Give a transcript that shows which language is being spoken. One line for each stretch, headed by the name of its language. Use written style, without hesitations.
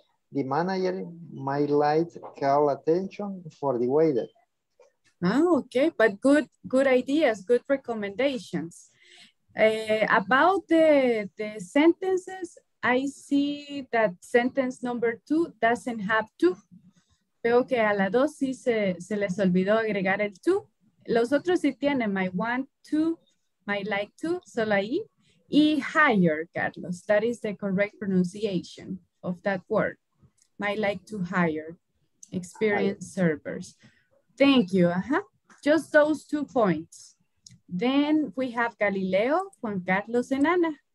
English: The manager might like call attention for the waiter. Oh, okay, but good ideas, good recommendations. About the sentences, I see that sentence number two doesn't have two.
Spanish: Veo que a la dos sí se les olvidó agregar el two. Los otros sí tienen,
English: my want to, my like to,
Spanish: solo ahí.
English: Y hire, Carlos, that is the correct pronunciation of that word. I like to hire experienced servers. Thank you. Uh-huh. Just those two points. Then we have Galileo, Juan Carlos, and Ana.